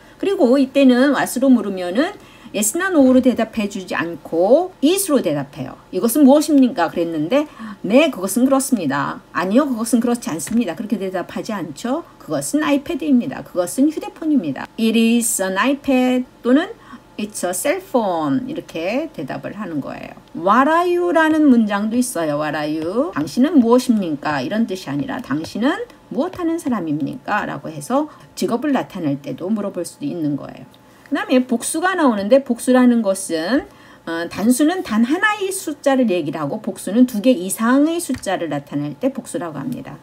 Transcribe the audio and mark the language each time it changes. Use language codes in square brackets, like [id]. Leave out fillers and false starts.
[ko] 그리고 이때는 what으로 물으면은 yes나 no로 대답해 주지 않고 is로 대답해요. 이것은 무엇입니까? 그랬는데 네, 그것은 그렇습니다. 아니요, 그것은 그렇지 않습니다. 그렇게 대답하지 않죠. 그것은 아이패드입니다. 그것은 휴대폰입니다. [en] It is an iPad [ko] 또는 [en] It's a cell phone. [ko] 이렇게 대답을 하는 거예요. [en] What are you [ko] 라는 문장도 있어요. [en] What are you? [ko] 당신은 무엇입니까? 이런 뜻이 아니라 당신은 무엇하는 사람입니까? 라고 해서 직업을 나타낼 때도 물어볼 수도 있는 거예요. 그 다음에 복수가 나오는데 복수라는 것은 단수는 단 하나의 숫자를 얘기하고 복수는 두개 이상의 숫자를 나타낼 때 복수라고 합니다.